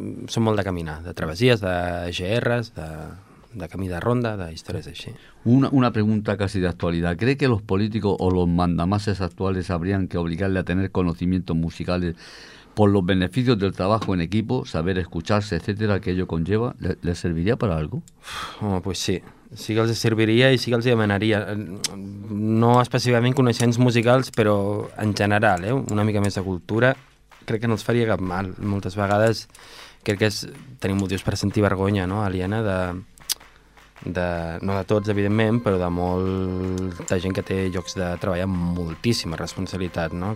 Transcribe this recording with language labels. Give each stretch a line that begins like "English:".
Catalan: Som molt de caminar, de travessies, de GRs, de camí de ronda, de històries així.
Spanish: Una pregunta casi de actualidad. ¿Cree que los políticos o los mandamases actuales habrían que obligarle a tener conocimientos musicales por los beneficios del trabajo en equipo, saber escucharse, etcétera, que ello conlleva? ¿Le serviría para algo?
Catalan: Home, pues sí. Sí que els serviria i sí que els demanaria. No específicament coneixements musicals, però en general, una mica més de cultura, crec que no els faria cap mal. Moltes vegades crec que tenim motius per sentir vergonya, no, aliena, no de tots, evidentment, però de molta gent que té llocs de treball amb moltíssima responsabilitat, no?